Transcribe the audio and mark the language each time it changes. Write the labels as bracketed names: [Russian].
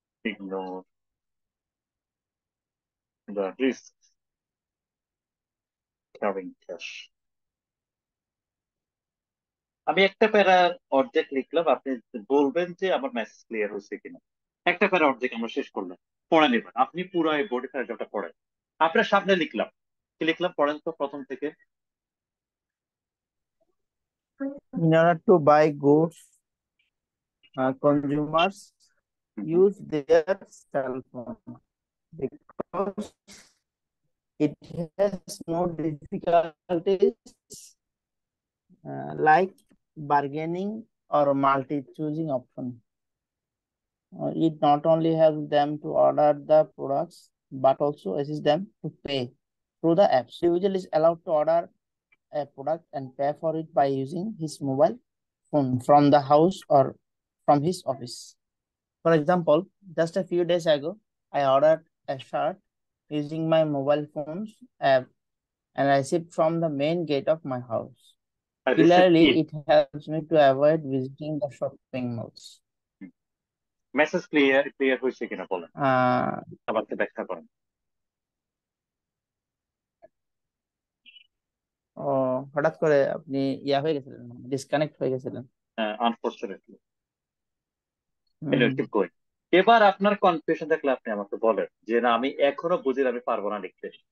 [English] ignore the risks carrying cash. [Bangla] আমি একটা প্যারার অর্ধেক লিখলাম, আপনি বলবেন যে আমার মেসেজ ক্লিয়ার হয়েছে কিনা। একটা প্যারা অর্ধেক আমরা শেষ করলাম, পড়ে নেবেন আপনি পুরো এই বোর্ডে প্যারাটা পড়েন। আপনার সামনে লিখলাম, কি লিখলাম পড়েন তো প্রথম থেকে। [English] In order to buy goods, consumers use their cell phone because it has no difficulties like bargaining or multi-choosing option. It not only helps them to order the products but also assists them to pay through the apps. The user is allowed to order a product and pay for it by using his mobile phone from the house or from his office. For example, just a few days ago, I ordered a shirt using my mobile phone's app and I received from the main gate of my house. Clearly, it helps me to avoid visiting the shopping malls. Message clear [Bangla] হয়েছে কিনা বলেন, আমাকে ব্যাখ্যা করেন। ও হঠাৎ করে আপনি ইয়া হয়ে গেছিলেন, ডিসকানেক্ট হয়ে গেছিলেন। আনফরচুনেটলি এবার আপনার কনফিউশন দেখলে আপনি আমাকে বলেন যে না আমি এখনো বুঝিনি, আমি পারবো না লিখতে।